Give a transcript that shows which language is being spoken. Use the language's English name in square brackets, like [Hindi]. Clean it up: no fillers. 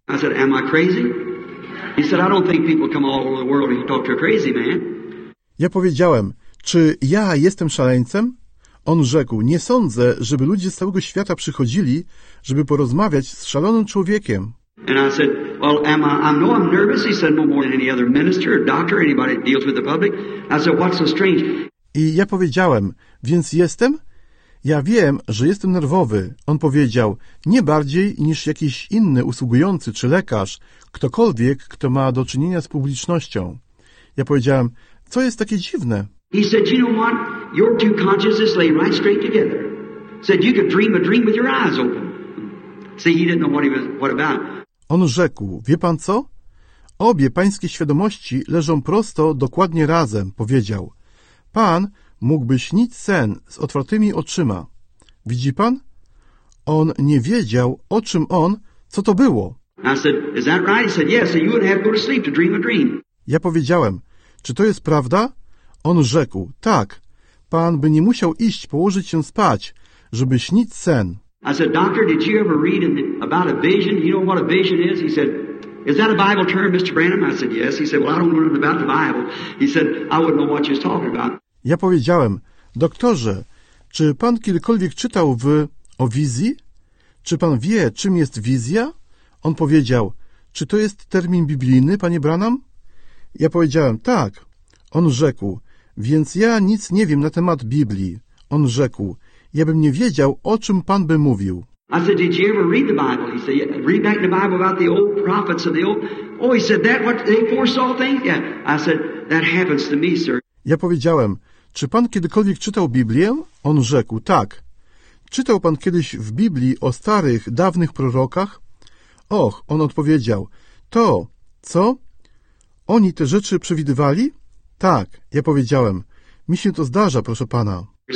[English] I said, am I crazy? He said, I don't think people come all over the world and talk to a crazy man. [Polish] Ja powiedziałem, czy ja jestem szaleńcem? On rzekł, nie sądzę, żeby ludzie z całego świata przychodzili, żeby porozmawiać z szalonym człowiekiem. [English] And I said, well, am I know I'm nervous. He said, more than any other minister or doctor, anybody that deals with the public. I said, what's so strange? [Polish] I ja powiedziałem, więc jestem? Ja wiem, że jestem nerwowy. On powiedział, nie bardziej niż jakiś inny usługujący czy lekarz, ktokolwiek, kto ma do czynienia z publicznością. Ja powiedziałem, co jest takie dziwne? [English] He said, you know what? Your two consciousnesses lay right straight together. Said you could dream a dream with your eyes open. See, he didn't know what about. [Polish] On rzekł, wie pan co? Obie pańskie świadomości leżą prosto, dokładnie razem, powiedział. Pan mógłby śnić sen z otwartymi oczyma. Widzi pan? On nie wiedział, o czym on, co to było. [English] I said, is that right? He said, yes, and you would have to go to sleep to dream a dream. [Polish] Ja powiedziałem, czy to jest prawda? On rzekł, tak, pan by nie musiał iść położyć się spać, żeby śnić sen. [English] I said, doctor, did you ever read about a vision? You know what a vision is? He said, is that a Bible term, Mr. Branham? I said, yes. He said, well, I don't know nothing about the Bible. He said, I wouldn't know what you're talking about. [Polish] Ja powiedziałem, doktorze, czy pan kiedykolwiek czytał o wizji? Czy pan wie, czym jest wizja? On powiedział, czy to jest termin biblijny, panie Branham? Ja powiedziałem, tak. On rzekł, więc ja nic nie wiem na temat Biblii. On rzekł, ja bym nie wiedział, o czym pan by mówił. [English] I said, did you ever read the Bible? He said, read back the Bible about the old prophets of the old... Oh, he said, that what they foresaw things? Yeah. I said, that happens to me, sir. [Polish] Ja powiedziałem, czy pan kiedykolwiek czytał Biblię? On rzekł, tak. Czytał pan kiedyś w Biblii o starych, dawnych prorokach? Och, on odpowiedział, to, co? Oni te rzeczy przewidywali? Tak, ja powiedziałem. Mi się to zdarza, proszę pana.